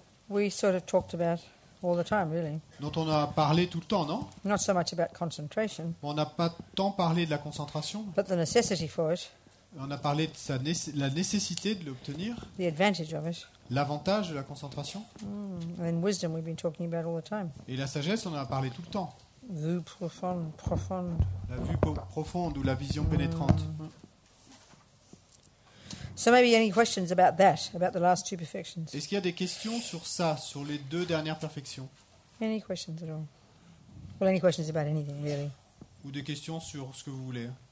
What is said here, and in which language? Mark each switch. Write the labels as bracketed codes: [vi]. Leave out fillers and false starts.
[en] We sort of talked about all the time, really. [fr] Dont on a parlé tout le temps, non? [en] Not so much about concentration. [fr] Bon, on n'a pas tant parlé de la concentration. [en] But the necessity for it. [fr] On a parlé de sa la nécessité de l'obtenir. [en] The advantage of it. [fr] L'avantage de la concentration. Mm. [en] And wisdom, we've been talking about all the time. [fr] Et la sagesse, on en a parlé tout le temps. Vue profonde, profonde. La vue profonde ou la vision pénétrante. [en] So maybe any questions about that, about the last two perfections? [fr] Est-ce qu'il y a des questions sur ça, sur les deux dernières perfections? [en] Any questions at all? Well, any questions about anything really? [fr] Ou des questions sur ce que vous voulez?